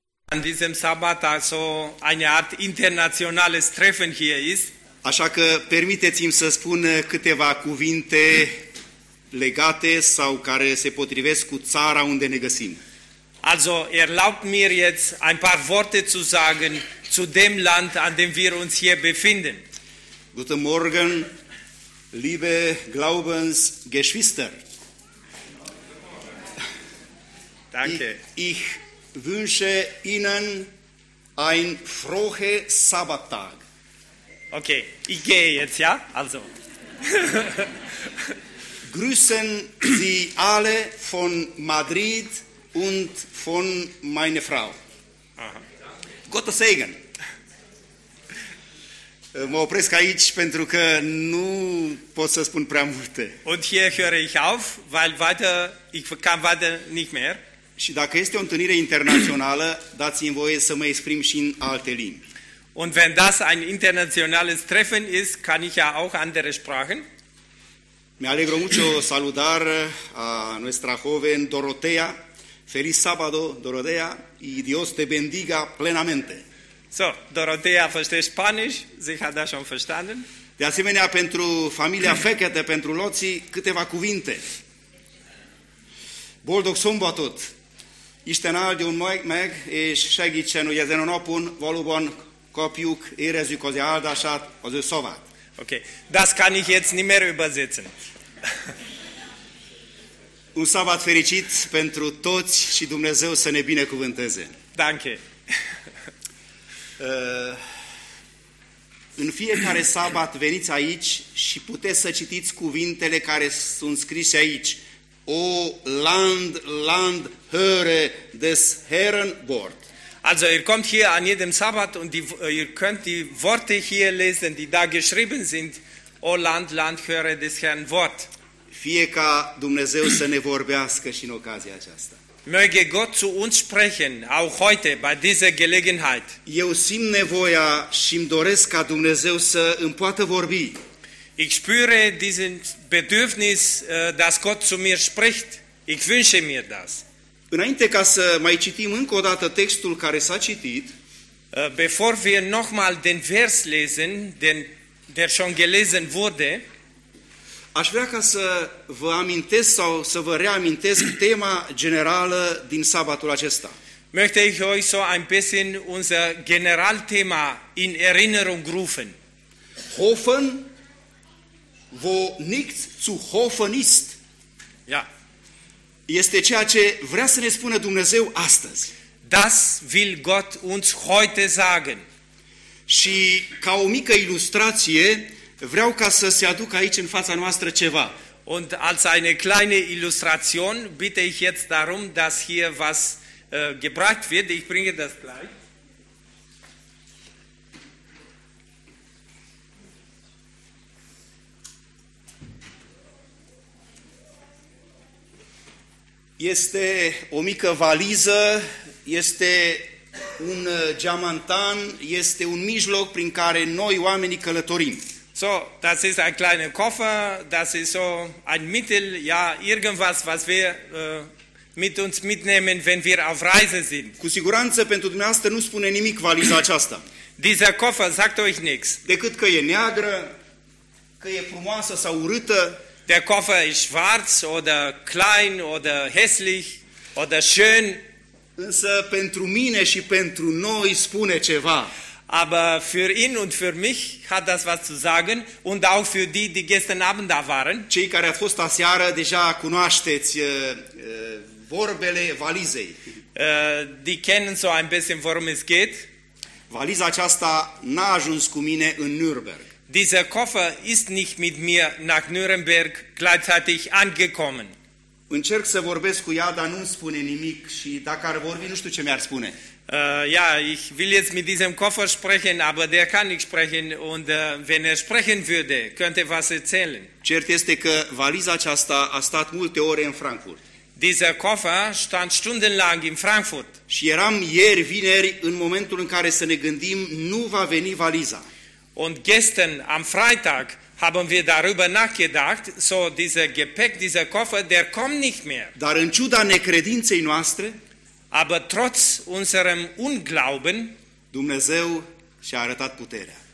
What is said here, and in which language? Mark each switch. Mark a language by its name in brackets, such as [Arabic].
[German] an diesem Sabbat also eine Art internationales Treffen hier ist. [Romanian] Așa că permiteți-mi să spun câteva cuvinte legate sau care se potrivesc cu țara unde ne găsim. [German] Also, erlaubt mir jetzt ein paar Worte zu sagen zu dem Land, an dem wir uns hier befinden. Guten Morgen, liebe Glaubensgeschwister. Danke. Ich wünsche Ihnen ein frohe Sabbattag. Okay, ich gehe jetzt, ja? Also. Grüßen Sie alle von Madrid und von meiner Frau. Gottes Segen. [Romanian] Mă opresc aici pentru că nu pot să spun prea multe. [German] Und hier höre ich auf, weil weiter ich kann weiter nicht mehr. [Romanian] Și dacă este o întâlnire internațională, dați-mi voie să mă exprim și în alte limbi. [German] Und wenn das ein internationales Treffen ist, kann ich ja auch andere Sprachen. [Spanish] Mi alegro mucho saludar a nuestra joven Dorotea. Feliz sábado, Dorotea, y Dios te bendiga plenamente. [German] So, Dorotea versteht Spanisch, sie hat das schon verstanden. [Romanian] De asemenea, pentru familia Fekete, pentru loții, câteva cuvinte. [Hungarian] Boldog sombatot. Isten áldja majd meg, és segítsen, hogy ezen a napon valóban kapjuk, érezzük az áldását, az ő szavát. [German] Oké, das kann ich jetzt nicht mehr übersetzen. [Romanian] Un szabad fericit pentru toți și Dumnezeu să ne binecuvânteze. [German] Danke. [Romanian] În fiecare sabat veniți aici și puteți să citiți cuvintele care sunt scrise aici. [German] O Land, Land, höre des Herren Wort. Also, ihr kommt hier an jedem Sabbat und ihr könnt die Worte hier lesen, die da geschrieben sind. O Land, Land, höre des Herrn Wort. [Romanian] Fie ca Dumnezeu să ne vorbească și în ocazia aceasta. [German] Möge Gott zu uns sprechen, auch heute, bei dieser Gelegenheit. [Romanian] Eu simt nevoia și îmi doresc ca Dumnezeu să îmi poată vorbi. [German] Ich spüre diesen Bedürfnis, dass Gott zu mir spricht. Ich wünsche mir das. [Romanian] Înainte ca să mai citim încă o dată textul care s-a citit, [German] bevor wir nochmal den Vers lesen, der schon gelesen wurde, [Romanian] aș vrea ca să vă amintesc sau să vă reamintesc tema generală din sabatul acesta. [German] Möchte ich euch so ein bisschen unser Generalthema in Erinnerung rufen. Hoffen, wo nichts zu hoffen ist. Ja. [Romanian] Este ceea ce vrea să ne spună Dumnezeu astăzi. [German] Das will Gott uns heute sagen. [Romanian] Și ca o mică ilustrație, vreau ca să se aducă aici în fața noastră ceva. [German] Und als eine kleine Illustration bitte ich jetzt darum, dass hier was gebracht wird. Ich bringe das gleich. [Romanian] Este o mică valiză, este un geamantan, este un mijloc prin care noi oamenii călătorim. [German] So, das ist ein kleiner Koffer, das ist so ein Mittel, ja, irgendwas, was wir mit uns mitnehmen, wenn wir auf Reise sind. [Romanian] Cu siguranță pentru dumneavoastră nu spune nimic valiza aceasta. [German] Dieser Koffer sagt euch nichts. [Romanian] Decât că e neagră, că e frumoasă sau urâtă. [German] Der Koffer ist schwarz oder klein oder hässlich oder schön. [Romanian] Însă pentru mine și pentru noi spune ceva. [German] Aber für ihn und für mich hat das was zu sagen und auch für die, die gestern Abend da waren. [Romanian] Cei care au fost aseară deja cunoașteți vorbele valizei. [German] Die kennen so ein bisschen worum es geht. [Romanian] Valiza aceasta n-a ajuns cu mine în Nürnberg. [German] Dieser Koffer ist nicht mit mir nach Nürnberg gleichzeitig angekommen. [Romanian] Încerc să vorbesc cu ea, dar nu îmi spune nimic și dacă ar vorbi, nu știu ce mi-ar spune. [German] Ja, ich will jetzt mit diesem Koffer sprechen, aber der kann nicht sprechen und wenn er sprechen würde, könnte was erzählen. [Romanian] Cert este că valiza aceasta a stat multe ore în Frankfurt. [German] Dieser Koffer stand stundenlang in Frankfurt. [Romanian] Și eram ieri, vineri, în momentul în care să ne gândim, nu va veni valiza. [German] Und gestern, am Freitag, haben wir darüber nachgedacht, so dieser Gepäck, dieser Koffer, der kommt nicht mehr. [Romanian] Dar în ciuda necredinței noastre, [German] Aber trotz unserem Unglauben, [Romanian] Dumnezeu și-a arătat puterea.